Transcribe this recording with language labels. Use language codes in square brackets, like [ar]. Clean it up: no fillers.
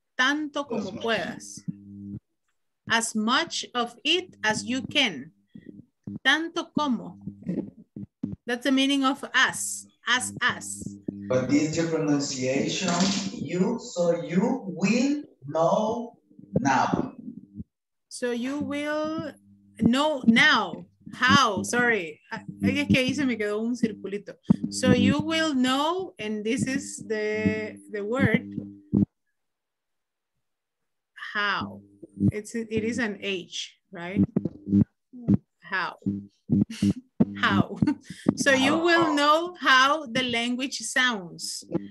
[es] Tanto como puedas. [en] As much of it as you can. [es] Tanto como. [en] That's the meaning of as. But this is your pronunciation, you, so you will know now. So you will know now. How? Sorry. [es] Es que ahí se me quedó un circulito. [en] So you will know, and this is the word. How? It is an H, right? How? How? So you will know how the language sounds.